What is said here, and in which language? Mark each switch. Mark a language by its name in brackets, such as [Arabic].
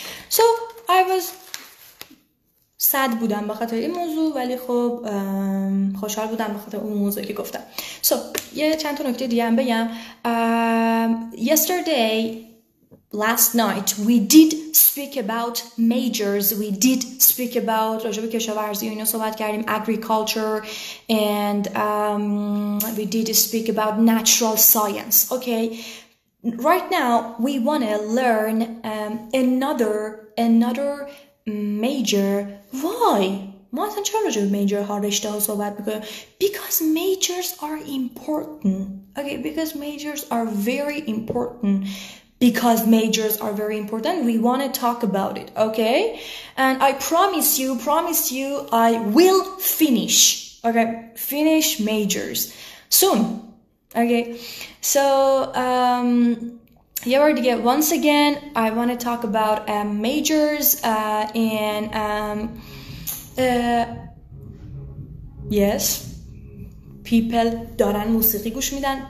[English] So I was sad [Persian] بودم به خاطر این موضوع ولی خب خوشحال بودم به خاطر اون موضوعی که گفتم. [English] So [Persian] یه چند تا نکته دیگه هم بگم. [English] Yesterday last night we did speak about majors. We did speak about [Persian] راجب کشاورزی و اینو صحبت کردیم. [English] Agriculture. And we did speak about natural science. Okay. Right now we want to learn another major. Why? [Persian] ما اصلا چرا راجع به major ها رشته ها صحبت میکنیم؟ [English] Because majors are important. Okay, because majors are very important. Because majors are very important, we want to talk about it, okay? And I promise you, I will finish, okay? Finish majors soon, okay? So, yeah, we're gonna get once again, I want to talk about majors and, yes, people [Persian] دارن موسیقی گوش میدن.